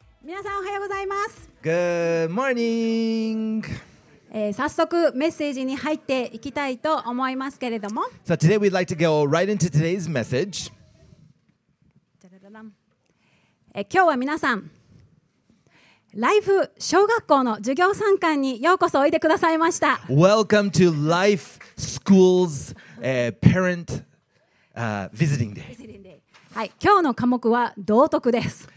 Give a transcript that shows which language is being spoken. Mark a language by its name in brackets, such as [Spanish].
[Japanese] 皆さんおはようございます。 [English] Good morning、 [Japanese] 早速メッセージに入っていきたいと思いますけれども、 [English] So today we'd like to go right into today's message。 [Japanese] 今日は皆さんライフ小学校の授業参観にようこそおいでくださいました。 [English] Welcome to Life School's Parent Visiting Day。 [Japanese] はい、今日の科目は道徳です。